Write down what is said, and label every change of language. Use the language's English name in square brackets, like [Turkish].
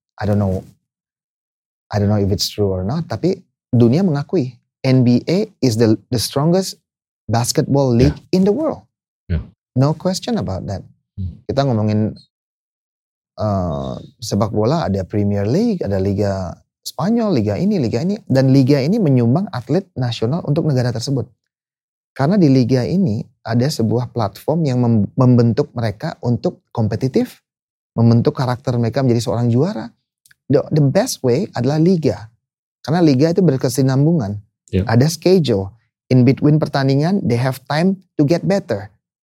[English] I don't know if it's true or not, [Indonesian] tapi dunia mengakui [English] NBA is the strongest basketball league in the world. Yeah. No question about that. [Indonesian] Kita ngomongin sepak bola, ada Premier League, ada Liga Spanyol, liga ini, dan liga ini menyumbang atlet nasional untuk negara tersebut. Karena di liga ini ada sebuah platform yang membentuk mereka untuk kompetitif, membentuk karakter mereka menjadi seorang juara. [English] The best way [Indonesian] adalah liga. Karena liga itu berkesinambungan. [English] Yeah. [Indonesian] Ada schedule. [English] In between pertandingan, they have time to get better.